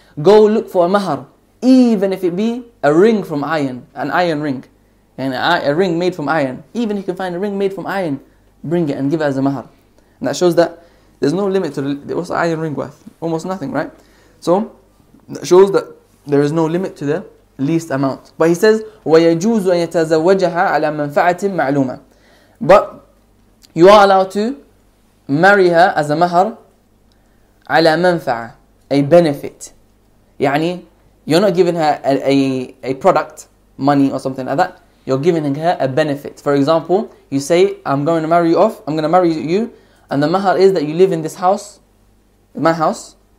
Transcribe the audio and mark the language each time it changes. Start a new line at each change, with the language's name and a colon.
English: Go look for a mahar, even if it be a ring from iron, an iron ring, and a ring made from iron. Even if you can find a ring made from iron, bring it and give it as a mahar. And that shows that there's no limit to the, what's the iron ring worth? Almost nothing, right? So that shows that there is no limit to the least amount. But he says,
Arabic: وَيَجُوزُ أَن يَتَزَوَّجَهَا عَلَى مَنْفَعَةٍ مَعْلُومَةٍ.
English: But you are allowed to marry her as a mahar
Arabic: عَلَى مَنْفَعَةٍ,
English: a benefit. يعني, you're not giving her a product, money or something like that. You're giving her a benefit. For example, you say, I'm going to marry you, and the mahar is that you live in this house, my house.